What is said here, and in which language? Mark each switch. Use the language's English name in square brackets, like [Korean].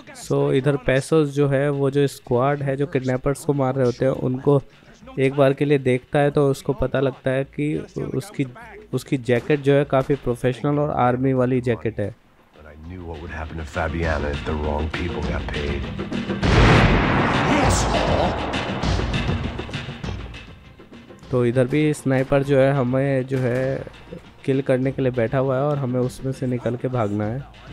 [Hindi] So, इधर पैसोस जो है, वो जो स्क्वाड है, जो किडनैपर्स को मार रहे होते हैं, उनको एक बार के लिए देखता है, तो उसको पता लगता है कि उसकी जैकेट जो है काफी प्रोफेशनल और आर्मी वाली जैकेट है. [English] But I knew what would happen to Fabiana if the wrong people got paid. [Hindi] तो इधर भी स्नाइपर जो है हमें जो है किल करने के लिए बैठा हुआ है और हमें उसमें से निकल के भागना है.